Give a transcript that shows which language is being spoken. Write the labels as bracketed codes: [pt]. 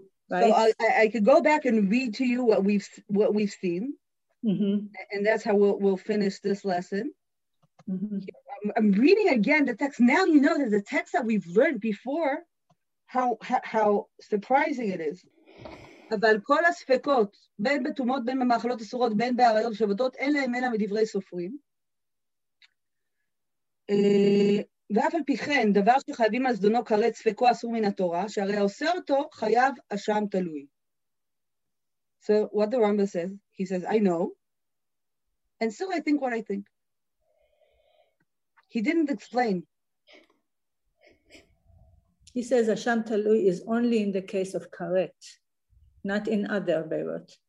[en] I could go back and read to you what we've seen. Mm-hmm. And that's how we'll finish this lesson. Mm-hmm. I'm reading again the text. Now you know that the text that we've learned before, how surprising it is. [he] אבל כל הספקות, בין בתומות, בין במאכלות אסורות, בין בעריות ושבתות, אין להם אלא מדברי סופרים. ואף על פי כן, דבר שחייבים על זדונו כרת, ספקו אסור מן התורה, שהרי עושה אותו, חייב אשם תלוי. [en] So what the Rambam says, he says, I know, and so I think what I think. He didn't explain. He says Hashem Talui is only in the case of Karet, not in other Beirut.